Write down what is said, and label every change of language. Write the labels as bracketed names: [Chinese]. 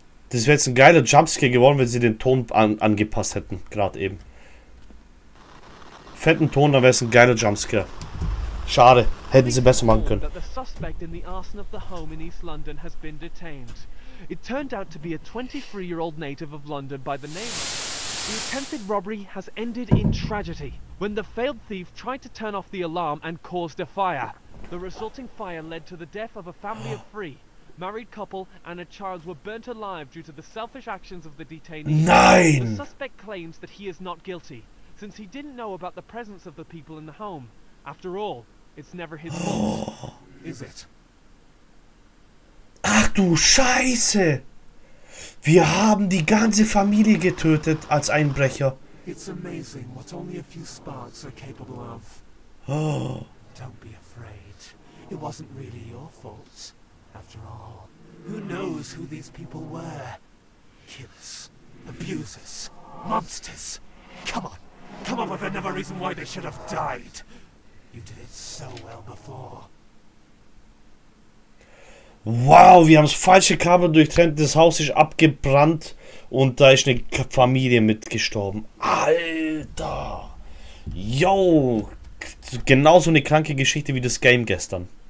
[German] Das wäre jetzt ein geiler Jumpscare geworden, wenn sie den Ton angepasst hätten. Gerade eben. Fetten Ton, dann wäre es ein geiler Jumpscare. Schade. Hätten sie besser machen können. [English] The suspect in the arson of the home in East London has been detained. It turned out to be a 23-year-old native of London by the name of... The attempted robbery has ended in tragedy. When the failed thief tried to turn off the alarm and caused a fire, the resulting fire led to the death of a family of three. Married couple and a child were burnt alive due to the selfish actions of the detainee. [German] Nein! [English] The suspect claims that he is not guilty, since he didn't know about the presence of the people in the home. After all, it's never his fault, is it? [German] Ach du Scheiße! Wir haben die ganze Familie getötet als Einbrecher. [English] It's amazing what only a few sparks are capable of. Oh. Don't be afraid. It wasn't really your fault. After all, who knows who these people were? Killers, abusers, monsters. Come on, come up with another reason why they should have died. You did it so well before. [German] Wow, wir haben das falsche Kabel durchtrennt, das Haus ist abgebrannt und da ist eine Familie mitgestorben. Alter! Yo! Genauso eine kranke Geschichte wie das Game gestern.